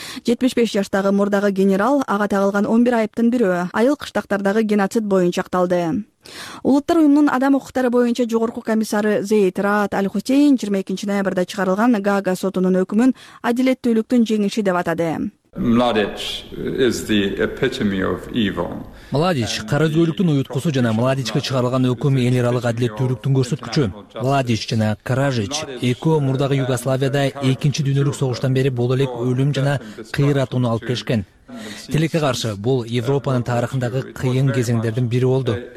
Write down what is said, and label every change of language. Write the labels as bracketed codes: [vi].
[ky] 75 жаштагы мурдагы генерал ага тагылган 11 айыптын бирөө айыл кыштактардагы геноцид боюнча акталды. Улуттар уюмунун адам укуктары боюнча жогорку комиссары Зейд Раат Аль-Хусейн 22 ноябрда чыгарылган Гаага сотунун өкүмүн адилеттүүлүктүн жеңиши деп атады. [en] Младич is the epitome of evil. [ky] Младич каразгөйлүктүн уюткусу жана Младичке чыгарылган өкүм эл аралык адилеттүүлүктүн көрсөткүчү. Младич жана Каражич экөө мурдагы Югославияда экинчи дүйнөлүк согуштан бери боло элек өлүм жана кыйратууну алып келишкен. Тилекке каршы, бул Европанын тарыхындагы кыйын кезеңдердин бири болду.